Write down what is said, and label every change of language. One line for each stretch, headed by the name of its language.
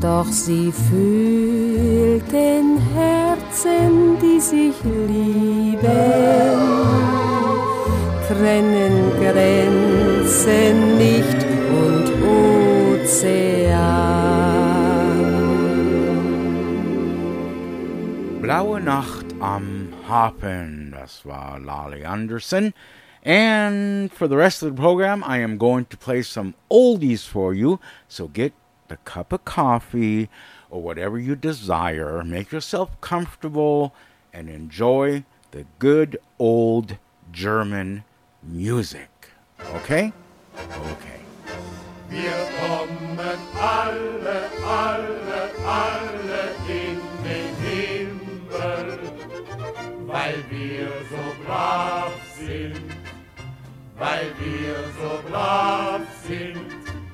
German: Sie fühlten Herzen, die sich lieben, trennen Grenzen nicht und Ozean. Blaue Nacht am Harpen. Das war Lali Anderson.
English: And for the rest of the program, I am going to play some oldies for you. So get a cup of coffee or whatever you desire. Make yourself comfortable and enjoy the good old German music. Okay? Okay.
German: Wir kommen alle, alle, alle in den Himmel, weil wir so brav sind, weil wir so brav sind.